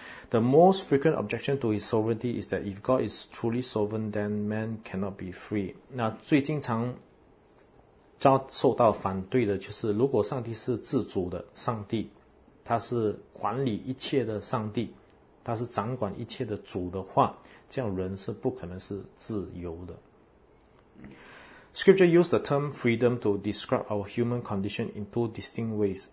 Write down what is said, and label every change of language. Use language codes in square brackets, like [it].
[en] The most frequent objection to his sovereignty is that if God is truly sovereign, then man cannot be free。 [zh] 那最经常遭受到反对的就是，如果上帝是自主的，上帝他是管理一切的上帝，他是掌管一切的主的话，这样人是不可能是自由的。 [en] Scripture used the term freedom to describe our human condition in two distinct ways.